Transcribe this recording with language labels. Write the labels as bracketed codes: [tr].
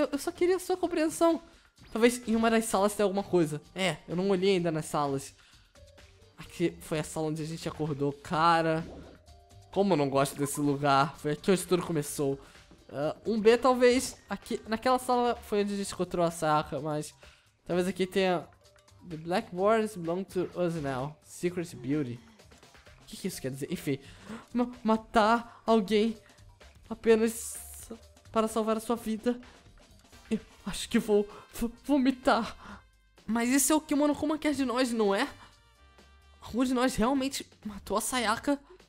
[pt] Eu só queria a sua compreensão. Talvez em uma das salas tenha alguma coisa. É, eu não olhei ainda nas salas. Aqui foi a sala onde a gente acordou. Cara, como eu não gosto desse lugar. Foi aqui onde tudo começou. Um B talvez. Aqui, naquela sala foi onde a gente encontrou a Sayaka, mas... Talvez aqui tenha... [en] The blackboards belong to us now. Secret beauty. [pt] O que que isso quer dizer? Enfim. Matar alguém apenas para salvar a sua vida. Acho que vou... vomitar. Mas isso é o que o Monokuma quer de nós, não é? Algum de nós realmente matou a Sayaka?